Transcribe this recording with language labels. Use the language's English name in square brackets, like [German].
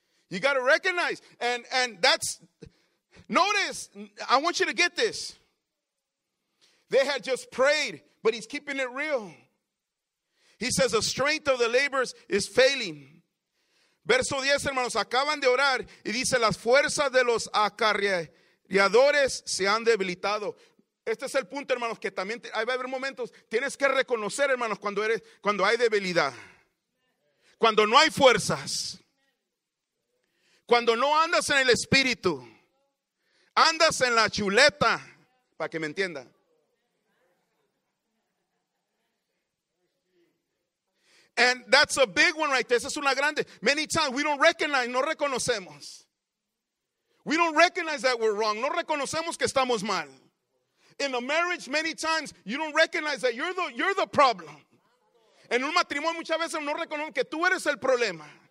[English] You got to recognize. And that's, notice, I want you to get this. They had just prayed, but he's keeping it real. He says, the strength of the laborers is failing. [Spanish] Verso 10, hermanos, acaban de orar. Y dice, las fuerzas de los acarreadores se han debilitado. Este es el punto, hermanos, que también va a haber momentos. Tienes que reconocer, hermanos, cuando hay debilidad. Cuando no hay fuerzas. Cuando no andas en el espíritu. Andas en la chuleta, para que me entiendan. [English] And that's a big one right there. [Spanish] Esa es una grande. [English] Many times we don't recognize, [Spanish] no reconocemos. [English] We don't recognize that we're wrong. [Spanish] No reconocemos que estamos mal. [English] In a marriage, many times, you don't recognize that you're the problem. [Spanish] En un matrimonio, muchas veces no reconocemos que tú eres el problema.